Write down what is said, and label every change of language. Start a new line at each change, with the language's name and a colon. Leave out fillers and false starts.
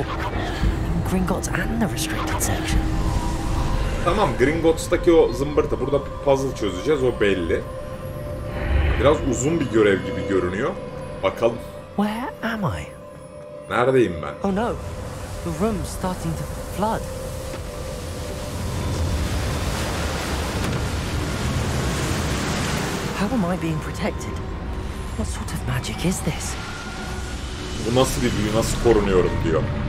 English: In Gringotts and the restricted section.
Turkish: Tamam, Gringotts'taki o zımbırtı. Burada puzzle çözeceğiz, o belli. Biraz uzun bir görev gibi görünüyor. Bakalım.
English: Where am I?
Turkish: Neredeyim ben?
English: Oh no. The room's starting to flood. How am I being protected? What sort of magic is this?
Turkish: Bu nasıl bir büyü, nasıl korunuyorum diyor.